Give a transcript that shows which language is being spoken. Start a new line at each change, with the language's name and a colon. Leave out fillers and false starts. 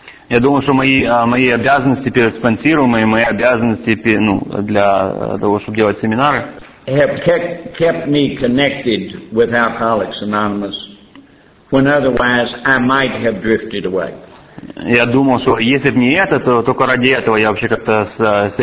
Russian: Я думаю, что мои обязанности перед спонсируемыми, мои обязанности для того, чтобы делать семинары,
English: have kept me connected with Alcoholics Anonymous when otherwise I might have drifted away.
Russian: Я думал, что если бы не это, то только ради этого я вообще как-то соединился.